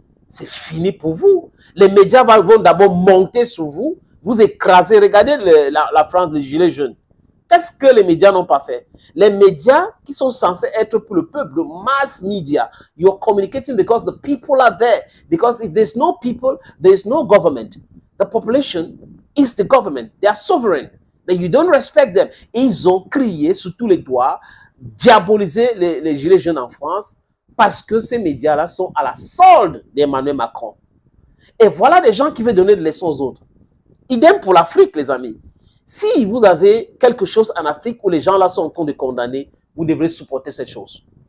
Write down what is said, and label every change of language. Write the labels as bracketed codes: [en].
[fr] c'est fini pour vous. Les médias vont d'abord monter sur vous, vous écraser. Regardez la France, les gilets jaunes. Qu'est-ce que les médias n'ont pas fait? Les médias qui sont censés être pour le peuple, [en] mass media, you're communicating because the people are there. Because if there's no people, there's no government. The population is the government. They are sovereign. But you don't respect them. [fr] Et ils ont crié sous tous les doigts, diabolisé les gilets jaunes en France parce que ces médias-là sont à la solde d'Emmanuel Macron. Et voilà des gens qui veulent donner des leçons aux autres. Idem pour l'Afrique, les amis. Si vous avez quelque chose en Afrique où les gens là sont en train de condamner, vous devrez supporter cette chose.